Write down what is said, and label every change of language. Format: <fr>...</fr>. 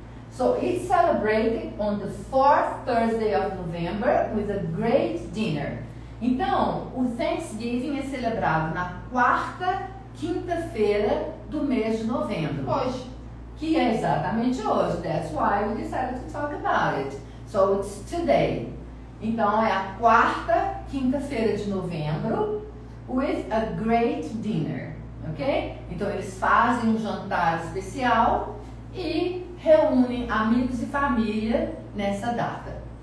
<en>So it's celebrated on the fourth Thursday of November with a great dinner.</en> <pt>Então, o Thanksgiving é celebrado na quarta quinta-feira do mês de novembro. Hoje. Que é exatamente hoje.</pt> <en>That's why we decided to talk about it. So it's today.</en> <pt>Então, é a quarta quinta-feira de novembro.</pt> <en>With a great dinner, ok?</en> <pt>Então eles fazem um jantar especial e reúnem amigos e família nessa data.</pt>